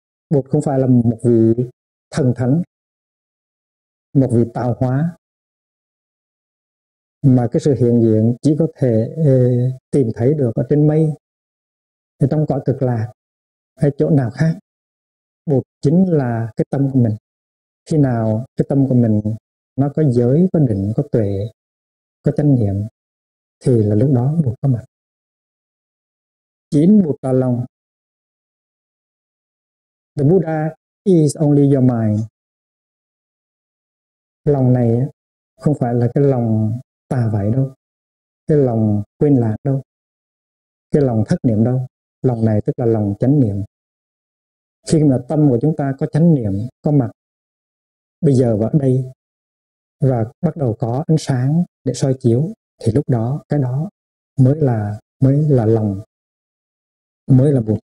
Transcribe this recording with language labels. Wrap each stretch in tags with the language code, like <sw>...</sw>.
<vi>Bụt không phải là một vị thần thánh, một vị tạo hóa, mà cái sự hiện diện chỉ có thể tìm thấy được ở trên mây, ở trong cõi cực lạc hay chỗ nào khác. Bụt chính là cái tâm của mình. Khi nào cái tâm của mình nó có giới, có định, có tuệ, có chánh niệm, thì là lúc đó Bụt có mặt. Chín Bụt là lòng.</vi> <en>The Buddha is only your mind.</en> <vi>Lòng này không phải là cái lòng tà vậy đâu, cái lòng quên lạc đâu, cái lòng thất niệm đâu. Lòng này tức là lòng chánh niệm. Khi mà tâm của chúng ta có chánh niệm, có mặt bây giờ và ở đây, và bắt đầu có ánh sáng để soi chiếu, thì lúc đó cái đó mới là lòng, mới là Bụt.</vi>